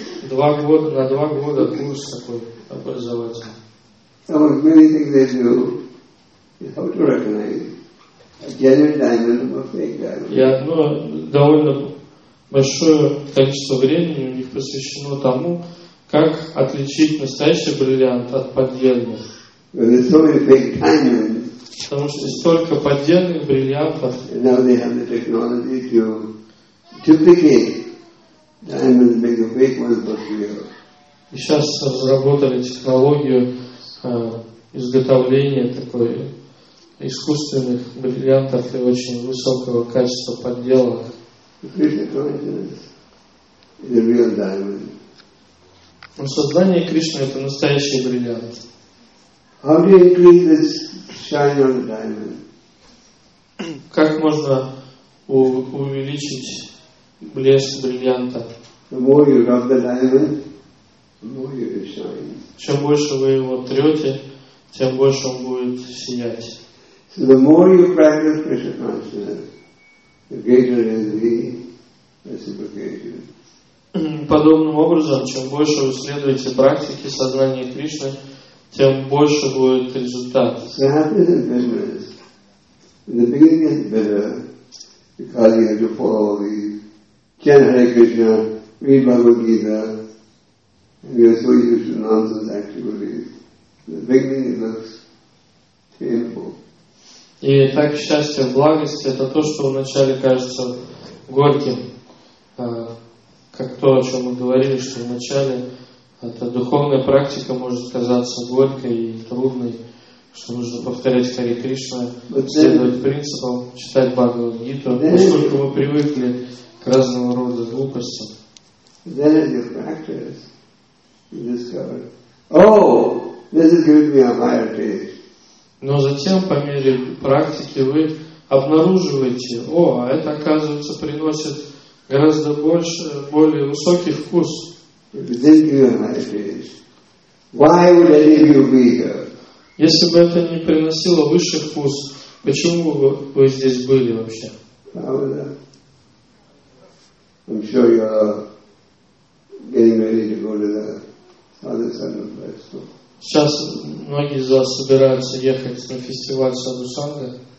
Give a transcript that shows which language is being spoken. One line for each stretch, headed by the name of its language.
Russian: 2 года, на 2 года курс такой образовательный.
English: Some of many things they do is how to recognize a genuine diamond from a fake diamond.
Russian: И одно довольно большое количество времени у них посвящено тому, как отличить настоящий бриллиант от поддельных.
English: There's so many fake diamonds.
Russian: Потому что столько поддельных бриллиантов.
English: And now they have the technology to duplicate diamonds, make a fake one for real.
Russian: И сейчас разработали технологию изготовления такой искусственных бриллиантов и очень высокого качества подделок. Но сознание Кришны — это настоящий бриллиант.
English: How do you increase this shine on the diamond?
Russian: Как можно увеличить блеск бриллианта?
English: The more you rub the diamond, the more you shine.
Russian: Чем больше вы его трете, тем больше он будет сиять.
English: So the more you practice Krishna consciousness, the greater is the reciprocation.
Russian: Подобным образом, чем больше вы следуете практике сознания Кришны, тем больше будет результат.
English: So happiness and bitterness. In the beginning it's bitter, because you have to follow all these. Chant Hare Krishna, read Bhagavad Gita. We are so used to nonsense activities. The beginning looks painful.
Russian: И так счастье, благость — это то, что вначале кажется горьким. Как то, о чем мы говорили, что вначале эта духовная практика может казаться горькой и трудной, что нужно повторять Харе Кришна, следовать принципам, читать Бхагавад Гиту, поскольку мы привыкли к разного рода глупостям.
English: Then as you practice, you discover, oh, this is giving me a higher taste.
Russian: Но затем, по мере практики, вы обнаруживаете, о, а это, оказывается, приносит гораздо больше, более высокий вкус.
English: Why would any of you be here?
Russian: Если бы это не приносило высший вкус, почему бы вы здесь были вообще?
English: I'm sure you're getting ready to go to the Father Son of Christ.
Russian: Сейчас многие из вас собираются ехать на фестиваль Садусанга.